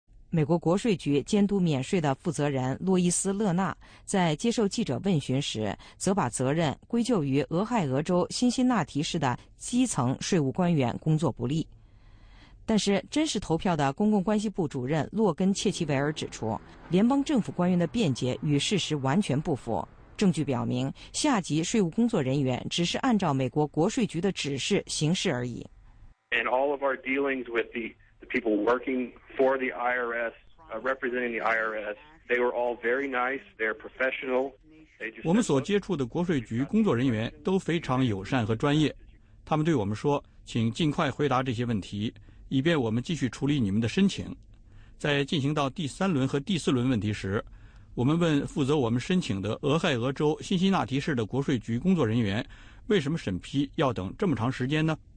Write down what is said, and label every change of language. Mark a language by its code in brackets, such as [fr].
[zh] 美国国税局监督免税的负责人洛伊斯·勒纳在接受记者问询时，则把责任归咎于俄亥俄州辛辛那提市的基层税务官员工作不力。但是真实投票的公共关系部主任洛根·切奇维尔指出，联邦政府官员的辩解与事实完全不符，证据表明下级税务工作人员只是按照美国国税局的指示行事而已。 [en] And all of our dealings with the people working for the IRS, representing the IRS, they were all very nice, they're professional. [zh] 我们所接触的国税局工作人员都非常友善和专业，他们对我们说，请尽快回答这些问题，以便我们继续处理你们的申请。在进行到第三轮和第四轮问题时，我们问负责我们申请的俄亥俄州辛辛那提市的国税局工作人员，为什么审批要等这么长时间呢？